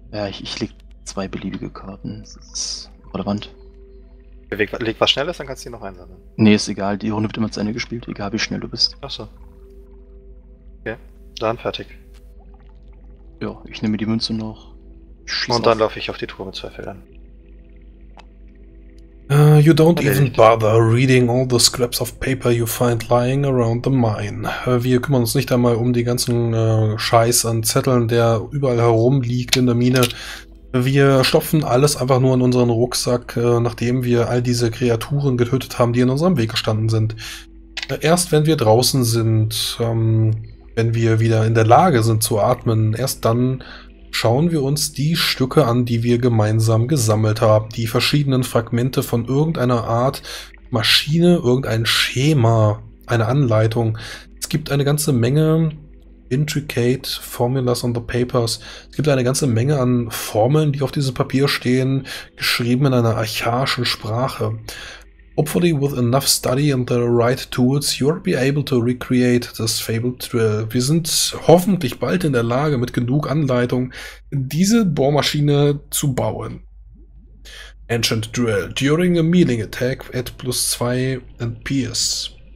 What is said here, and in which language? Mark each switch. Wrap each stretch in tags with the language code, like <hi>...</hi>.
<de>Ich leg 2 beliebige Karten. Das ist relevant. Leg was schnell ist, dann kannst du die noch einsammeln. Nee, ist egal. Die Runde wird immer zu Ende gespielt, egal wie schnell du bist. Achso. Okay, dann fertig. Ja, ich nehme die Münze noch. Und dann laufe ich auf die Truhe mit 2 Feldern.</de> <en>You don't even bother reading all the scraps of paper you find lying around the mine.</en> <de>Wir kümmern uns nicht einmal um die ganzen Scheiß an Zetteln, der überall herumliegt in der Mine. Wir stopfen alles einfach nur in unseren Rucksack, nachdem wir all diese Kreaturen getötet haben, die in unserem Weg gestanden sind. Erst wenn wir draußen sind, wenn wir wieder in der Lage sind zu atmen, erst dann schauen wir uns die Stücke an, die wir gemeinsam gesammelt haben. Die verschiedenen Fragmente von irgendeiner Art Maschine, irgendein Schema, eine Anleitung. Es gibt eine ganze Menge</de> <en>Intricate Formulas on the Papers.</en> <de>Es gibt eine ganze Menge an Formeln, die auf diesem Papier stehen, geschrieben in einer archaischen Sprache.</de> <en>Hopefully with enough study and the right tools, you'll be able to recreate this fabled drill.</en> <de>Wir sind hoffentlich bald in der Lage, mit genug Anleitung, diese Bohrmaschine zu bauen.</de> <en>Ancient Drill. During a melee attack, add plus 2 and pierce.</en>